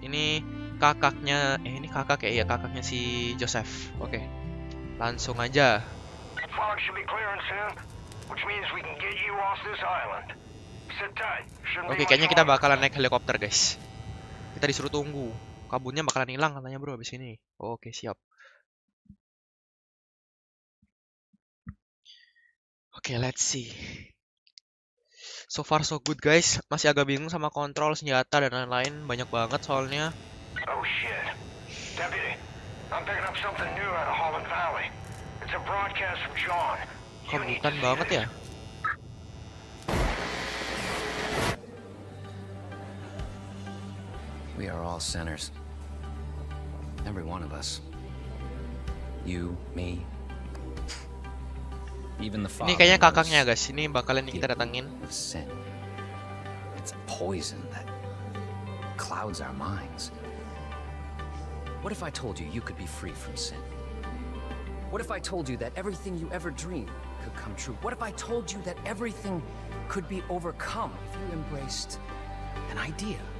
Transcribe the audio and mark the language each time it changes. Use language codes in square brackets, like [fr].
[id] Ini kakaknya, ini kakak ya, kakaknya si Joseph. Oke. Okay. Langsung aja. [en] Fog should be clearing soon. Which means we can get you off this island. Sit tight. [id] Oke, kayaknya kita bakalan naik helikopter, guys. Kita disuruh tunggu. Kabutnya bakalan hilang katanya, bro, abis ini. Oke, siap. [en] Oke, okay, let's see. So far so good, guys. [id] Masih agak bingung sama kontrol senjata dan lain-lain. Banyak banget soalnya. [en] Oh shit. Deputy, I'm picking up something new out of Holland Valley. It's a broadcast from John. [id] Kebutan banget ya. [en] We are all sinners. Every one of us. You, me. Even the [id] ini kayaknya kakaknya guys, ini bakalan kita datangin. [en] It's a poison that clouds our minds. What if I told you you could be free from sin? What if I told you that everything you ever dreamed could come true? What if I told you that everything could be overcome if you embraced an idea?